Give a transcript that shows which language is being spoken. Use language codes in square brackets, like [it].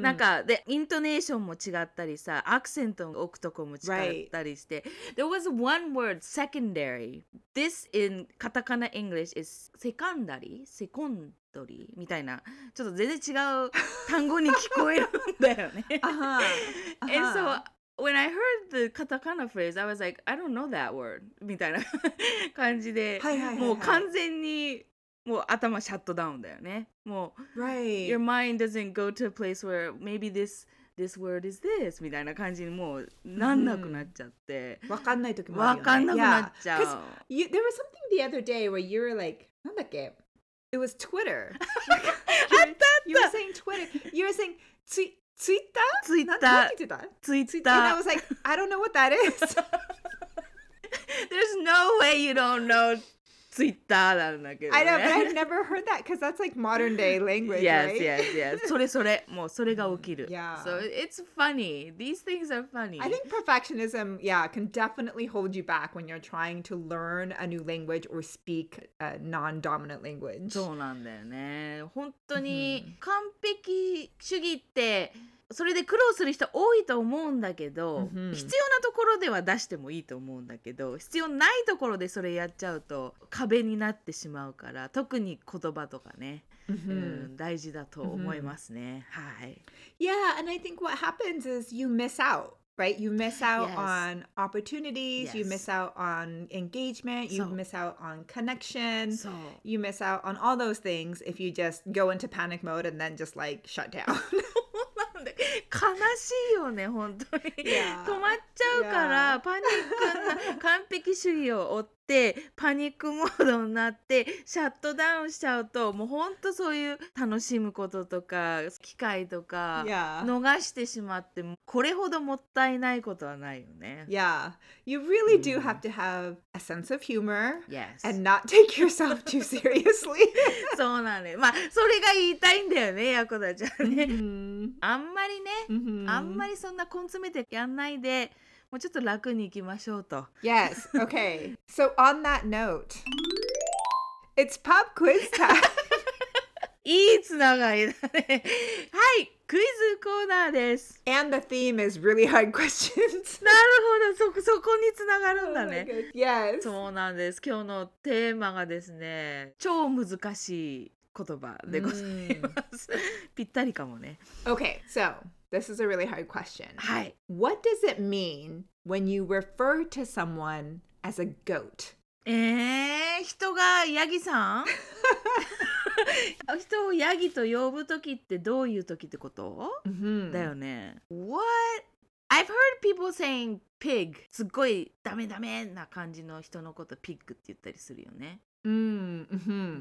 [ja] なんか、で、イントネーションも違ったりさ、アクセントを置くとこも違ったりして。 [en] Right. There was one word, secondary. This in カタカナ English is secondary? Secondary? [ja] みたいなちょっと全然違う単語に聞こえるんだよね。 uh-huh. [en] And so when I heard the katakana phrase, I was like, I don't know that word [ja] みたいな感じで、はいはいはいはい、もう完全にもう頭シャットダウンだよね。もう、 [en] right. your mind doesn't go to a place where maybe this word is this [ja] みたいな感じにもうなんなくなっちゃって、わかんない時もあるよね。わかんなくなっちゃう。 [en] Yeah. You, there was something the other day where you were like, [ja] なんだっけ。 [en] It was Twitter. You were saying Twitter. You were saying Twitter? Twitter. And I was like, I don't know what that is. There's no way you don't know Twitter. [ja] なんだけどね。 [en] I know, but I've never heard that because that's like modern day language, yes, right? Yes, yes, yes. [ja] それそれ、もうそれが起きる。 [en] Yeah. So it's funny. These things are funny. I think perfectionism, yeah, can definitely hold you back when you're trying to learn a new language or speak a non-dominant language. [ja] そうなんだよね。本当に完璧主義ってそれで苦労する人多いと思うんだけど、mm-hmm. 必要なところでは出してもいいと思うんだけど必要ないところでそれやっちゃうと壁になってしまうから特に言葉とかね、 mm-hmm. 大事だと思いますね、mm-hmm. はい、 [en] Yeah, and I think what happens is you miss out, right? You miss out yes. on opportunities, yes. you miss out on engagement, you so. Miss out on connection, so. You miss out on all those things if you just go into panic mode and then just like shut down. [ja] 悲しいよね本当に、 [en] yeah. [ja] 止まっちゃうから、yeah. パニックな完璧主義を追ってパニックモードになってシャットダウンしちゃうともう本当そういう楽しむこととか機会とか逃してしまって、 [en] yeah. [ja] これほどもったいないことはないよね [en] Yeah, you really do have to have a sense of humor、 yes. and not take yourself too seriously [ja] そうなんで、まあ、それが言いたいんだよねヤコダちゃんね、 mm-hmm. あんまりね、 mm-hmm. あんまりそんな根詰めてやんないでもうちょっと楽に行きましょうと [en] Yes, okay So on that note It's pub quiz time [ja] いいつながりだねはい、クイズコーナーです [en] And the theme is really hard questions [ja] なるほど、そこにつながるんだね、 [en] oh、Yes [ja] そうなんです、今日のテーマがですね超難しい言葉でございます。ぴったりかもね。 [en] Okay, so this is a really hard question. [ja] はい。 [en] What does it mean when you refer to someone as a goat? [ja] 人がヤギさん？人をヤギと呼ぶときってどういうときってこと？ Mm-hmm. だよね。 [en] What? I've heard people saying pig. [ja] すっごいダメダメな感じの人のことピッグって言ったりするよね。 Mm-hmm.